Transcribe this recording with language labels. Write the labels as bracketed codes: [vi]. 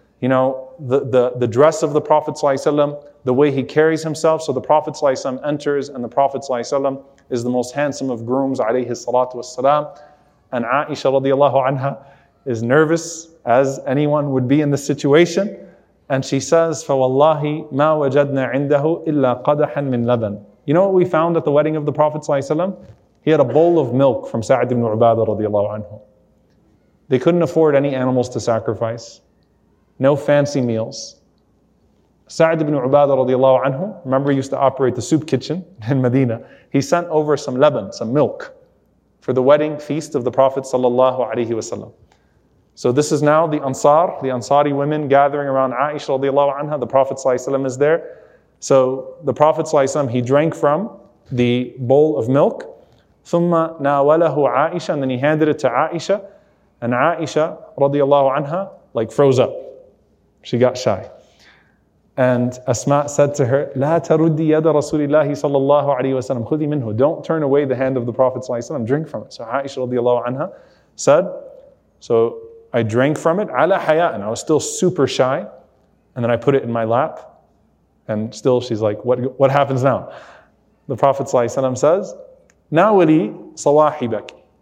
[en] You know, the dress of the Prophet ﷺ, the way he carries himself. So the Prophet ﷺ enters and the Prophet ﷺ is the most handsome of grooms, alayhi salatu wassalam. And Aisha radiallahu anha is nervous, as anyone would be in this situation. And she says, [ar] فَوَاللَّهِ مَا وَجَدْنَا عِنْدَهُ إِلَّا قَدَحًا مِنْ لَبَنٍ. [en] You know what we found at the wedding of the Prophet ﷺ? He had a bowl of milk from Sa'd ibn Ubadah radiallahu anhu. They couldn't afford any animals to sacrifice. No fancy meals. Sa'd ibn Ubadah radiallahu anhu, remember, he used to operate the soup kitchen in Medina. He sent over some laban, some milk, for the wedding feast of the Prophet ﷺ. So this is now the Ansar, the Ansari women gathering around Aisha radiallahu anha. The Prophet ﷺ is there. So the Prophet ﷺ, he drank from the bowl of milk. [ar] ثُمَّ نَاوَلَهُ عَائِشَ. [en] And then he handed it to Aisha. And Aisha radiallahu anha, like, froze up. She got shy. And Asma said to her, [ar] لَا تَرُدِّي يَدَ رَسُولِ اللَّهِ صَلَى اللَّهُ عَلَيْهِ وَسَلَمْ خُذِي مِنْهُ. [en] Don't turn away the hand of the Prophet ﷺ. Drink from it. So Aisha radiallahu anha said, so I drank from it, ala haya, and I was still super shy. And then I put it in my lap. And still she's like, what happens now? The Prophet ﷺ says, nawali sawahibak.